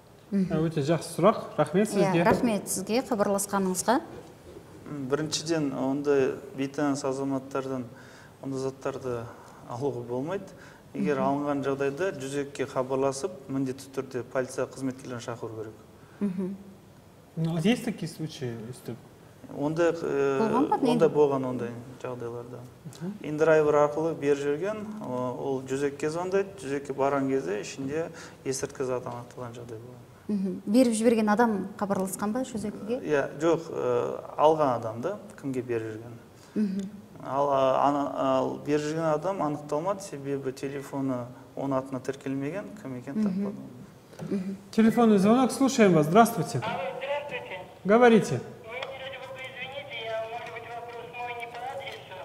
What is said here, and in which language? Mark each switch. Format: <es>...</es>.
<kk>Өте жақсы сұрақ, рахмет сізге. Рахмет сізге, хабарласқаныңызға. Біріншіден, ондай бейтаныс азаматтардан ондай заттарды алуға болмайды. Егер алынған жағдайда 102-ге хабарласып, міндетті түрде полиция қызметкерлерін шақыру керек.</kk> <ru>Есть такие случаи,</ru> <kk>өстіп? Ондай болған ондай жағдайларда. Индрайвер арқылы бер жүрген, ол 102-ге звондайды, 102-ге барған кезде ішінде есірткі зат анықталған жағдай болған. Беріп жіберген адам қабырлысқан ба жүзекіге? Жоқ, алған адамды, кімге беріп жүрген. Ал беріп жүрген адам анықталмады, себебі телефоны оны атына тіркелмеген, кім екен таппады.</kk> <ru>Телефонный звонок, слушаем вас, здравствуйте. Здравствуйте. Говорите. Вы не ради бога, извините, я, может быть, вопрос мой не по адресу.</ru>